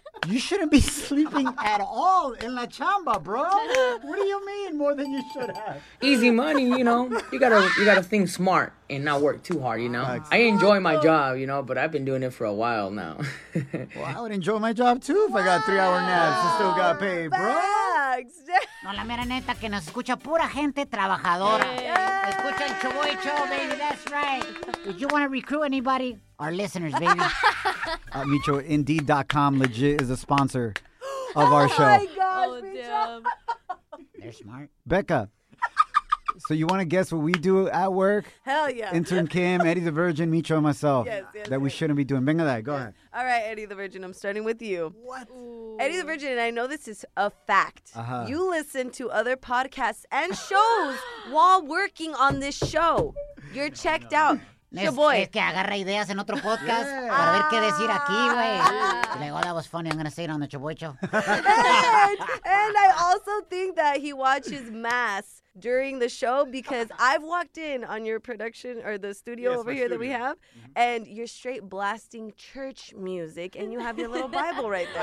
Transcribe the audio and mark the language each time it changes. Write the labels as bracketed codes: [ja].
[en] You shouldn't be sleeping at all in La Chamba, bro. What do you mean more than you should have? Easy money, you know. You gotta think smart and not work too hard, you know. Excellent. I enjoy my job, you know, but I've been doing it for a while now. Well, I would enjoy my job too if I got 3 hour naps and still got paid, bro. Facts. [es] No, la mera neta que nos escucha pura gente trabajadora. [en] Yay. [es] Escucha el [en] Chaboy Show, baby. That's right. Did you want to recruit anybody? Our listeners, baby. Micho, Indeed.com legit is a sponsor of our show. Oh, my gosh, oh, Micho. Damn. They're smart. Becca, so you want to guess what we do at work? Hell yeah. Intern Kim, Eddie the Virgin, Micho, and myself. Yes. That we shouldn't be doing. Venga, that. Go ahead. All right, Eddie the Virgin, I'm starting with you. What? Ooh. Eddie the Virgin, and I know this is a fact. Uh-huh. You listen to other podcasts and shows while working on this show. You're checked out. Shaboy. [es] Es que agarra ideas en otro podcast para ver qué decir aquí, güey. [en] Yeah. Like, oh, that was funny. I'm going to say it on the Shaboy Show. And I also think that he watches Mass during the show because I've walked in on your production or the studio over here that we have, mm-hmm. and you're straight blasting church music, and you have your little Bible right there.